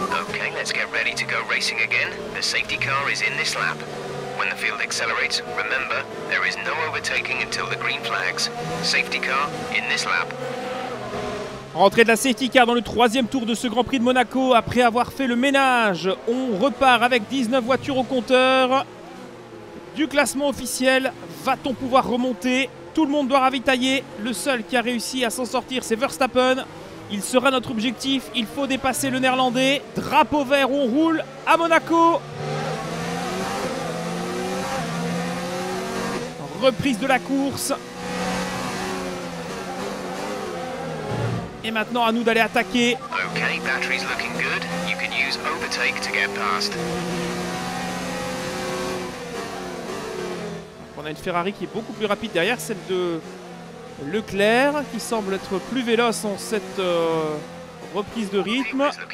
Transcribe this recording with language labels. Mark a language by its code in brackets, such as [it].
[en] Okay, let's get ready to go racing again. The safety car is in this lap. When the field accelerates, remember, there is no overtaking until the green flags. Safety car in this lap. [fr] Rentrée de la safety car dans le troisième tour de ce Grand Prix de Monaco. Après avoir fait le ménage, on repart avec 19 voitures au compteur. Du classement officiel, va-t-on pouvoir remonter? Tout le monde doit ravitailler. Le seul qui a réussi à s'en sortir, c'est Verstappen. Il sera notre objectif, il faut dépasser le Néerlandais. Drapeau vert, on roule à Monaco. Reprise de la course. Et maintenant à nous d'aller attaquer. [en] Ok, batterie looking good. You can use overtake to get past. [fr] On a une Ferrari qui est beaucoup plus rapide derrière celle de Leclerc, qui semble être plus véloce en cette reprise de rythme.